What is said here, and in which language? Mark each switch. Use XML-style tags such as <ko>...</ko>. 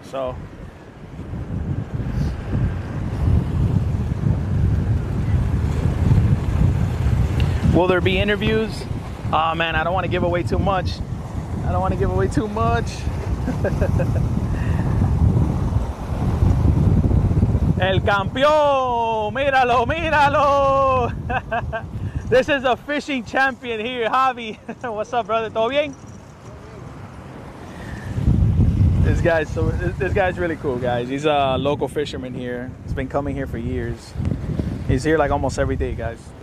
<en>So will there be interviews? Oh man, I don't want to give away too much. I don't want to give away too much.</en> <es>El campeón, míralo, míralo.</es> <en>This is a fishing champion here, Javi. What's up, brother?</en> <es>¿Todo bien?</es> <en>This guy's really cool, guys. He's a local fisherman here. He's been coming here for years. He's here like almost every day, guys.</en>